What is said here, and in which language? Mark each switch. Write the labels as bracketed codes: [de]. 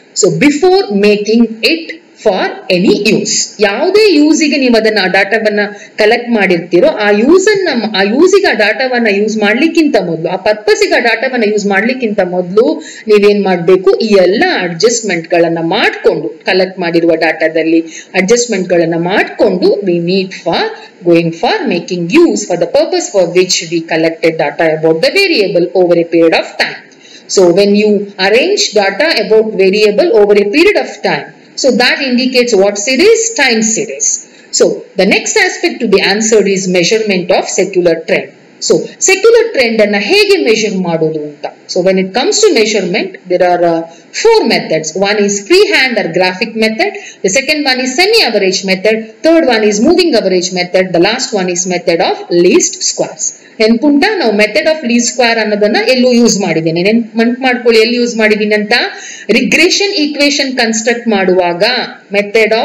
[en] so before making it for any use, [kn] ಯಾವುದೇ ಯೂಸಿಗೆ ನೀವು ಅದನ್ನ ಡಾಟಾವನ್ನ ಕಲೆಕ್ಟ್ ಮಾಡಿರ್ತೀರೋ ಆ ಯೂಸ್ ಅನ್ನ, ಆ ಯೂಸಿಗೆ ಆ ಡಾಟಾವನ್ನ ಯೂಸ್ ಮಾಡ್ಲಿಕ್ಕಿಂತ ಮೊದಲು, ಆ ಪರ್ಪಸ್ಗೆ ಆ ಡಾಟಾವನ್ನ ಯೂಸ್ ಮಾಡ್ಲಿಕ್ಕಿಂತ ಮೊದಲು ನೀವೇನ್ ಮಾಡಬೇಕು, ಈ ಎಲ್ಲ ಅಡ್ಜಸ್ಟ್ಮೆಂಟ್ಗಳನ್ನ ಮಾಡಿಕೊಂಡು, ಕಲೆಕ್ಟ್ ಮಾಡಿರುವ ಡಾಟಾದಲ್ಲಿ ಅಡ್ಜಸ್ಟ್ಮೆಂಟ್ಗಳನ್ನ ಮಾಡಿಕೊಂಡು [en] We need for going for making use for the purpose for which we collected data about the variable over a period of time. So when you arrange data about variable over a period of time, so that indicates what series? Time series. So the next aspect to be answered is measurement of secular trend. So secular trend [kn] anna hege measure madodu anta. [en] So when it comes to measurement, there are four methods. One is freehand or graphic method. The second one is semi-average method. Third one is moving average method. The last one is method of least squares. [kn] ನೆನ್ಪುಂಟ ನಾವು method of list square ಅನ್ನೋದನ್ನ ಎಲ್ಲೂ use ಮಾಡಿದ್ದೇನೆ, ನೆನ್ಪು ಮಾಡ್ಕೊಳ್ಳಿ ಎಲ್ಲಿ use ಮಾಡಿದ್ದೀನಿ ಅಂತ. Regression equation construct ಮಾಡುವಾಗ ಮೆಥಡ್ ಆಫ್